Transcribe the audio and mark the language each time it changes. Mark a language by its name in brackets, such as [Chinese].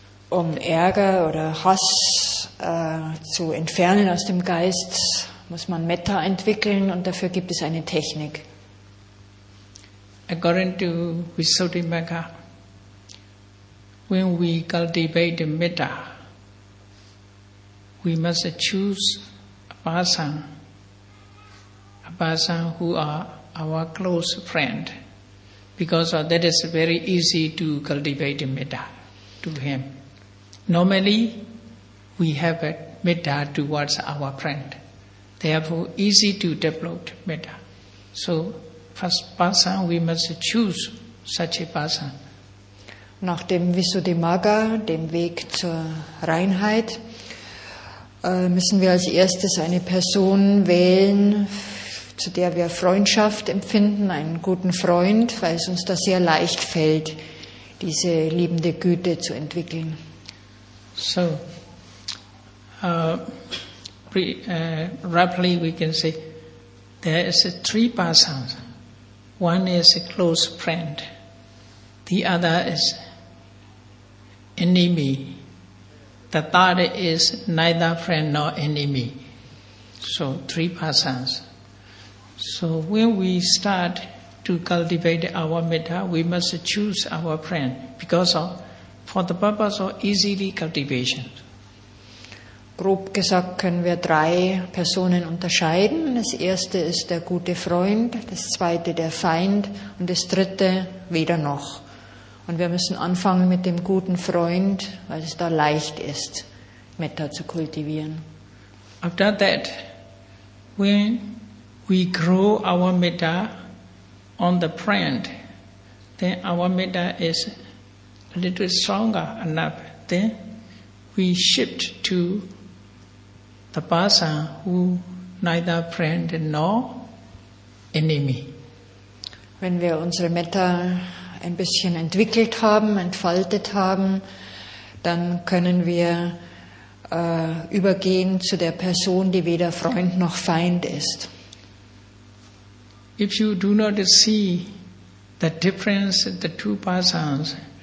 [German] Um Ärger oder Hass zu entfernen aus dem Geist, muss man Metta entwickeln und dafür gibt es eine Technik. [English] According to Visuddhimagga, when we cultivate Metta, we must choose a person who are our close friend, because that is very easy to cultivate Metta to him. Normally, we have a metta towards our friend. Therefore, easy to develop metta. So, first person, we must choose such a person. Nach dem Visuddhimagga, dem Weg zur Reinheit, müssen wir als erstes eine Person wählen, zu der wir Freundschaft empfinden, einen guten Freund, weil es uns da sehr leicht fällt, diese liebende Güte zu entwickeln. So, roughly we can say there is three persons. One is a close friend. The other is enemy. The third is neither friend nor enemy. So, three persons. So, when we start to cultivate our metta, we must choose our friend because of for the purpose of easily cultivation. [German] Grob gesagt können wir drei Personen unterscheiden. Das erste ist der gute Freund, das zweite der Feind und das dritte weder noch. Und wir müssen anfangen mit dem guten Freund, weil es da leicht ist, Metta zu kultivieren. [English] After that, when we grow our Metta on the friend, then our Metta is a little stronger enough, then we shift to the person who neither friend nor enemy. [German] Wenn wir unsere Metta ein bisschen entwickelt haben, entfaltet haben, dann können wir übergehen zu der Person, die weder Freund noch Feind ist. [English] If you do not see the difference in the two persons,